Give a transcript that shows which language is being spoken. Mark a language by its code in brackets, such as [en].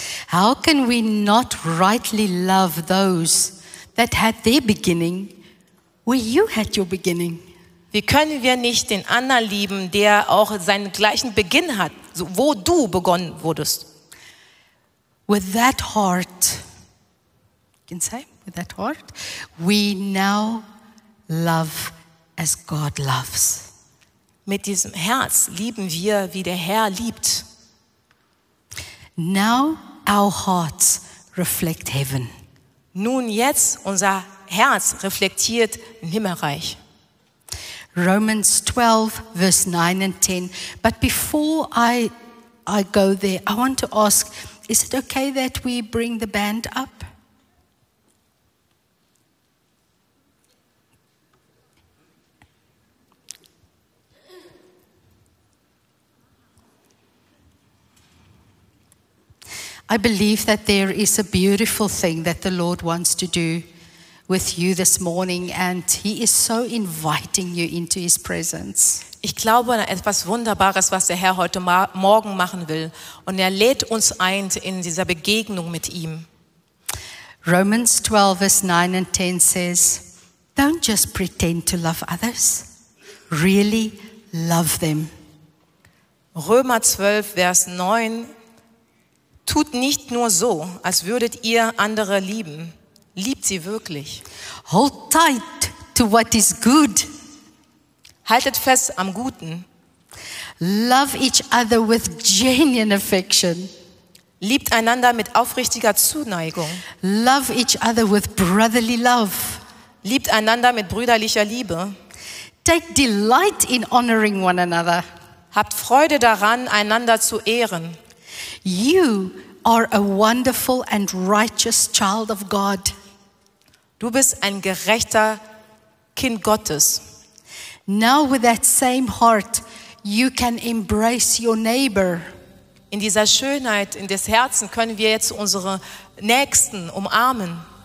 [en] How can we not rightly love those that had their beginning where you had your beginning? [de] Wie können wir nicht den anderen lieben, der auch seinen gleichen Beginn hat, wo du begonnen wurdest? [en] With that heart, you can say, with that heart, we now love as God loves. [de] Mit diesem Herz lieben wir, wie der Herr liebt. [en] Now our hearts reflect heaven. [de] Nun jetzt, unser Herz reflektiert im Himmelreich. [en] Romans 12, verse 9 and 10. But before I go there, I want to ask, is it okay that we bring the band up? I believe that there is a beautiful thing that the Lord wants to do with you this morning, and he is so inviting you into his presence. [de] Ich glaube an etwas Wunderbares, was der Herr heute Morgen machen will, und er lädt uns ein in dieser Begegnung mit ihm. [en] Romans 12, verse 9 and 10 says, don't just pretend to love others, really love them. [de] Römer 12, Vers 9, tut nicht nur so, als würdet ihr andere lieben. Liebt sie wirklich. [en] Hold tight to what is good. [de] Haltet fest am Guten. [en] Love each other with genuine affection. [de] Liebt einander mit aufrichtiger Zuneigung. [en] Love each other with brotherly love. [de] Liebt einander mit brüderlicher Liebe. [en] Take delight in honoring one another. [de] Habt Freude daran, einander zu ehren. [en] You are a wonderful and righteous child of God. [de] Du bist ein gerechter Kind Gottes. [en] Now with that same heart, you can embrace your neighbor. [de] In dieser Schönheit, in des Herzens, können wir jetzt unsere Nächsten umarmen.